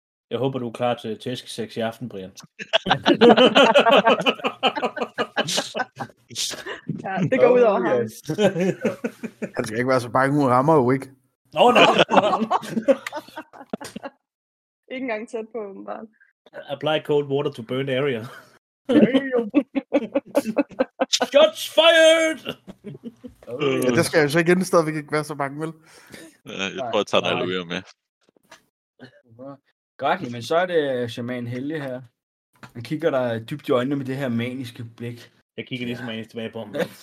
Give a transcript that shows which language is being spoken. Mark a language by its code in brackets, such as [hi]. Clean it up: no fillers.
[da] Jeg håber, du er klar til tæsk 6 i aften, Brian. Ja, det går ud over ham. Yes. Han skal ikke være så bange, hun rammer jo ikke. Nå, no, nå. No. Ikke engang tæt på, åbenbart. [en] Apply cold water to burn area. Damn. Shots fired! [da] Ja, det skal jeg jo så igen, stadig ikke være så mange, vel? Jeg prøver at tage dig alligevel med. Godt, men så er det shaman Helge her. Han kigger dig dybt i øjnene med det her maniske blik. Jeg kigger lige så manisk tilbage på ham.